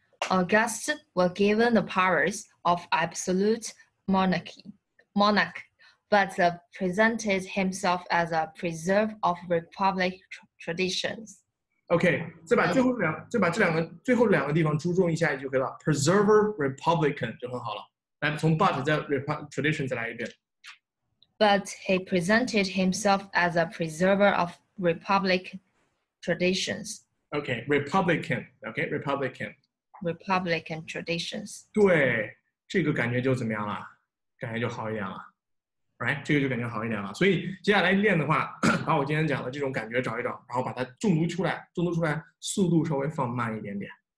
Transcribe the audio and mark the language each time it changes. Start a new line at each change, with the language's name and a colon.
English: Augustus was given the powers of absolute monarch, but presented himself as a preserver of republic traditions.
Chinese: OK， 再把这两个地方注重一下就可以了。
English: Preserver Republican
Chinese: 就很好了。来，从 but 再 tradition 再来一遍。
English: But he presented himself as a preserver of Republic traditions. OK， Republican， OK， Republican。 Republican traditions。
Chinese: 对，这个感觉就怎么样了？感觉就好一点了 ，right？这个就感觉好一点了。所以接下来练的话。把我今天讲的这种感觉找一找，然后把它重读出来，重读出来，速度稍微放慢一点点。